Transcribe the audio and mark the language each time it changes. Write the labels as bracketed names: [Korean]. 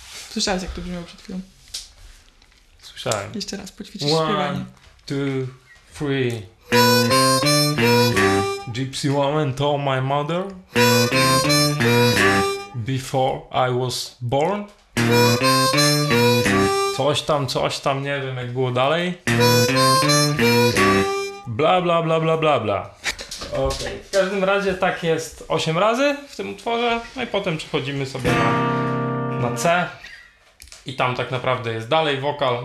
[Polish] Słyszałeś, jak to brzmiało przed chwilą? Słyszałem. Jeszcze raz, poćwiczysz śpiewanie. [English] One, two, three. Gypsy woman told my mother before I was born. [Polish] Coś tam, nie wiem, jak było dalej. Bla, bla, bla, bla, bla, bla. Okej. Okay. W każdym razie tak jest 8 razy w tym utworze. No i potem przechodzimy sobie na C. I tam tak naprawdę jest dalej wokal.